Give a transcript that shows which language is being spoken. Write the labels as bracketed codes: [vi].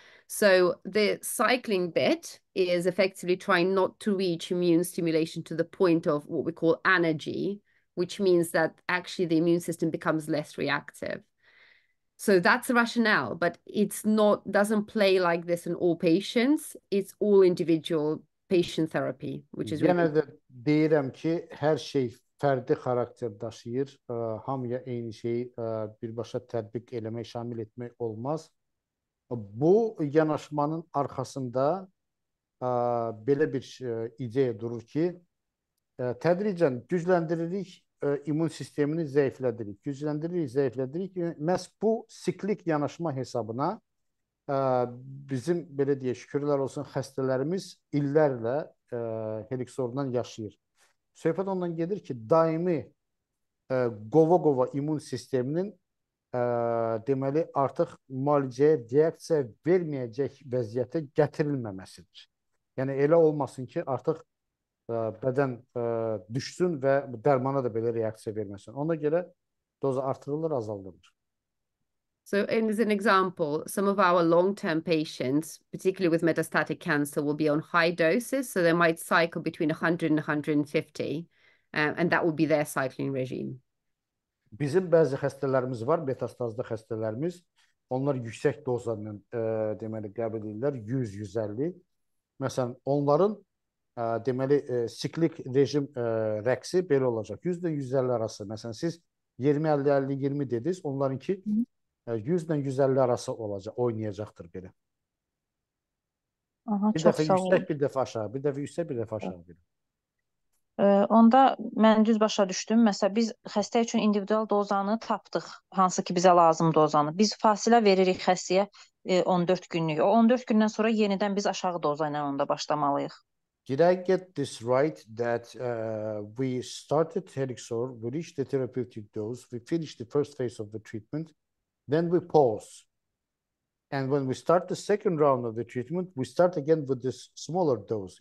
[en] So the cycling bit is effectively trying not to reach immune stimulation to the point of what we call anergy, which means that actually the immune system becomes less reactive. So that's the rationale, but it's not doesn't play like this in all patients. It's all individual patient therapy, which is really [az] Yenə də deyirəm ki, hər şey fərdi xarakter daşıyır. Hamıya eyni şeyi birbaşa tətbiq eləmək, şamil etmək olmaz. Bu yanaşmanın arxasında belə bir ideya durur ki, tədricən gücləndiririk, immun sistemini zəiflədirik. Gücləndiririk, zəiflədirik. Məhz bu siklik yanaşma hesabına bizim belə deyək, şükürlər olsun, xəstələrimiz illərlə Helixor-dan yaşayır. Söhbət ondan gedir ki, daimi qova-qova immun sisteminin deməli artıq müalicəyə reaksiya verməyəcək vəziyyətə gətirilməməsidir. Yəni elə olmasın ki, artıq bədən düşsün və bu dərmana da belə reaksiya verməsin. Ona görə doza artırılır, azaldılır. [en] So, and as an example, some of our long-term patients, particularly with metastatic cancer, will be on high doses. So they might cycle between 100 and 150, and that will be their cycling regime. [az] Bizim bəzi xəstələrimiz var, metastazlı xəstələrimiz. Onlar yüksək dozanın deməli qəbul edirlər 100-150. Məsələn, onların deməli siklik rejim rəqsi belə olacaq. 100-150 arası. Məsələn, siz 20-50-50-20 dediniz. Onlarınki 100-150 arası olacaq, oynayacaqdır belə. Aha, Bir çox dəfə sağ olun. yüksək, bir dəfə aşağı, bir dəfə yüksək, bir dəfə aşağı belə. Onda mən düz başa düşdüm. Məsələn, biz xəstə üçün individual dozanı tapdıq, hansı ki bizə lazım dozanı. Biz fasilə veririk xəstəyə 14 günlük. O 14 gündən sonra yenidən biz aşağı doza ilə onda başlamalıyıq. [en] Did I get this right that we started Helixor, we reached the therapeutic dose, we finished the first phase of the treatment, then we pause. And when we start the second round of the treatment, we start again with this smaller dose.